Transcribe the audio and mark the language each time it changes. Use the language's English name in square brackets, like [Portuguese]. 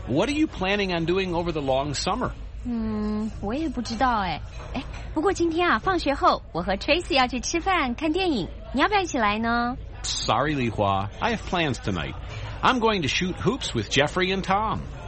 [English] What are you planning on doing over the long summer? [Chinese] 我也不知道哎不过今天啊放学后我和 Tracy 要去吃饭看电影你要不要一起来呢 [English] Sorry, Li Hua. I have plans tonight. I'm going to shoot hoops with Jeffrey and Tom.